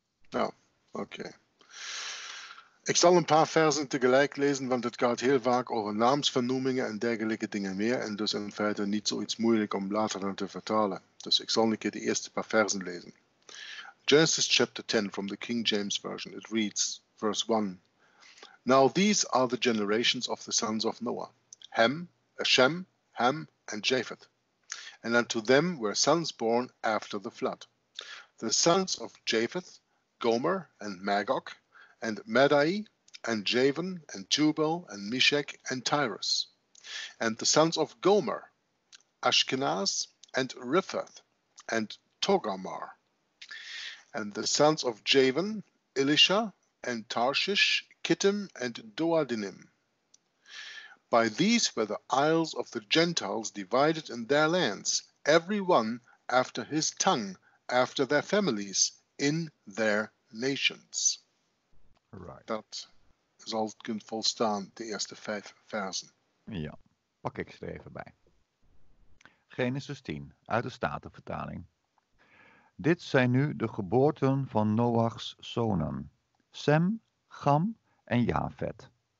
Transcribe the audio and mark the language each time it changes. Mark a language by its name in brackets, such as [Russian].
[Dutch] Ja, oké. Ik zal een paar versen tegelijk lezen, want het gaat heel vaak over naamsvernoemingen en dergelijke dingen meer. En dus in feite niet zoiets moeilijk om later dan te vertalen. Dus ik zal een keer de eerste paar versen lezen. [English] Genesis chapter 10 from the King James Version. It reads, verse 1. Now these are the generations of the sons of Noah, Shem, Ham, and Japheth. And unto them were sons born after the flood. The sons of Japheth, Gomer, and Magog, and Madai, and Javan, and Tubal, and Meshech, and Tyrus. And the sons of Gomer, Ashkenaz, and Riphath, and Togarmah. And the sons of Javan, Elisha, and Tarshish, Kittim and Doadinim. By these were the isles of the Gentiles divided in their lands, every one after his tongue, after their families, in their nations. Right. [Dutch] Dat zal kunnen volstaan, de eerste vijf versen. Ja, pak ik ze er even bij. Genesis 10, uit de Statenvertaling. Dit zijn nu de geboorten van Noach's zonen, Sem, Gam, en Jafet.